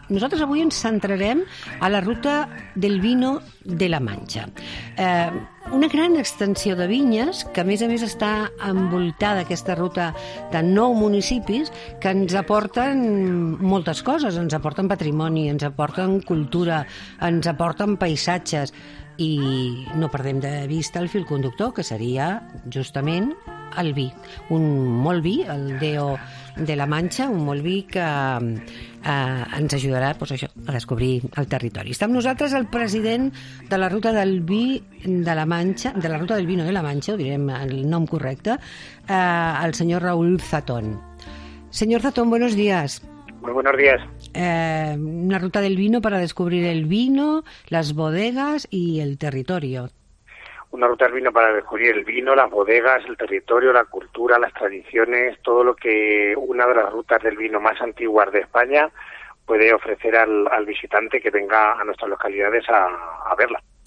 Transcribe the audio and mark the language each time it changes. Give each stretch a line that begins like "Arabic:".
Catalan: Nosaltres avui ens centrarem a la ruta del vino de la Mancha. Una gran extensió de vinyes que, a més, està envoltada aquesta ruta de 9 municipis que ens aporten moltes coses. Ens aporten patrimoni, ens aporten cultura, ens aporten paisatges. I no perdem de vista el fil conductor, que seria justament el vi. Un molt vi, el DO de la Mancha, un molt vi que ens ajudarà, doncs, això, a descobrir el territori. Està amb nosaltres el president de la ruta del vi de la Mancha, de la ruta del vino de la Mancha, ho direm el nom correcte, el senyor Raúl Zatón. Senyor Zatón,
Spanish: buenos días. Muy buenos días. Una ruta del vino para descubrir el vino, las bodegas y el territorio. Una ruta del vino para descubrir el vino, las bodegas, el territorio, la cultura, las tradiciones, todo lo que una de las rutas del vino más antiguas de España puede ofrecer al visitante que venga a nuestras localidades a verla.